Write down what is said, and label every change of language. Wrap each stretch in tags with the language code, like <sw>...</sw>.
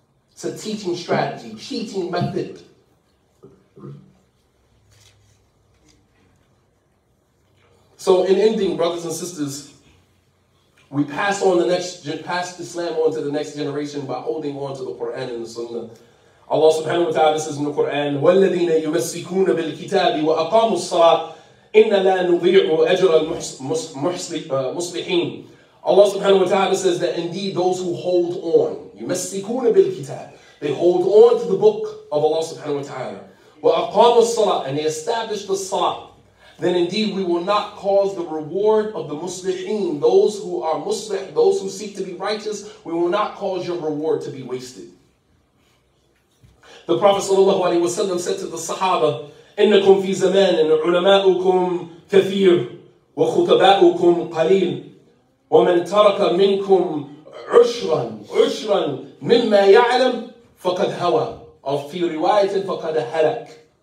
<en>It's a teaching strategy, cheating method. So in ending, brothers and sisters, we pass on the next, pass Islam on to the next generation by holding on to the Quran and the Sunnah. Allah subhanahu wa ta'ala says in the Quran,</en> <ar>وَالَّذِينَ يُمَسِّكُونَ بِالْكِتَابِ وَأَقَامُوا الصَّلَاةِ إِنَّ لَا نُضِيعُ أَجْرَ الْمُصْلِحِينَ.</ar> <en>Allah subhanahu wa ta'ala says that indeed those who hold on,</en> <ar>يُمَسِّكُونَ بِالْكِتَابِ,</ar> <en>they hold on to the book of Allah subhanahu wa ta'ala.</en> <ar>وَأَقَامُوا الصَّلَاةِ,</ar> <en>and they establish the salah, then indeed we will not cause the reward of the muslihin, those who are muslih, those who seek to be righteous, we will not cause your reward to be wasted. The Prophet sallallahu alaihi wasallam said to the sahaba,</en> <ar>إِنَّكُمْ فِي زَمَانٍ عُلَمَاءُكُمْ كَثِيرٌ وَخُتَبَاءُكُمْ قَلِيلٌ وَمَنْ تَرَكَ مِنْكُمْ عُشْرًا عُشْرًا مِمَّا يَعْلَمْ فَقَدْ هَوَى أَوْ فِي رِوَايَةٍ فَقَدْ هَلَكْ</ar>